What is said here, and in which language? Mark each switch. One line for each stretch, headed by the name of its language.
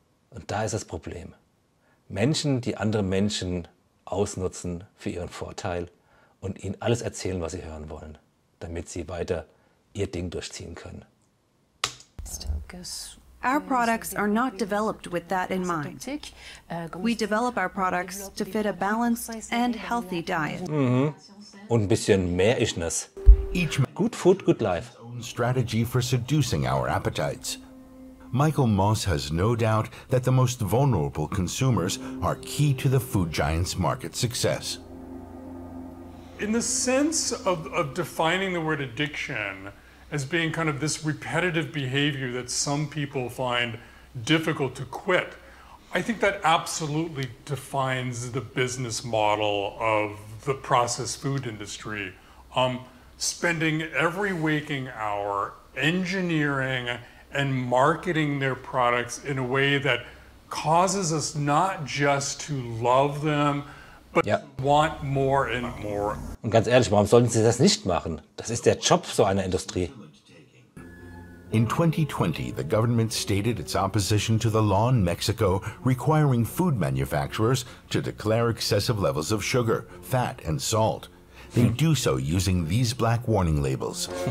German: Und da ist das Problem. Menschen, die andere Menschen ausnutzen für ihren Vorteil und ihnen alles erzählen, was sie hören wollen, damit sie weiter ihr Ding durchziehen können.
English: Our products are not developed with that in mind. We develop our products to fit a balanced and healthy diet.
German: Mm-hmm. Und ein bisschen mehr Ichness.
English: Each good food, good life. Strategy for seducing our appetites. Michael Moss has no doubt that the most vulnerable consumers are key to the food giant's market success. In the sense of defining the word addiction, as being kind of this repetitive behavior that some people find difficult to quit, I think that absolutely defines the business model of the processed food industry. Spending every waking hour engineering and marketing their products in a way that causes us not just to love them, but
German: ja.
English: Want more and more.
German: Und ganz ehrlich, warum sollten Sie das nicht machen? Das ist der Job so einer Industrie.
English: In 2020, the government stated its opposition to the law in Mexico requiring food manufacturers to declare excessive levels of sugar, fat, and salt. They do so using these black warning labels.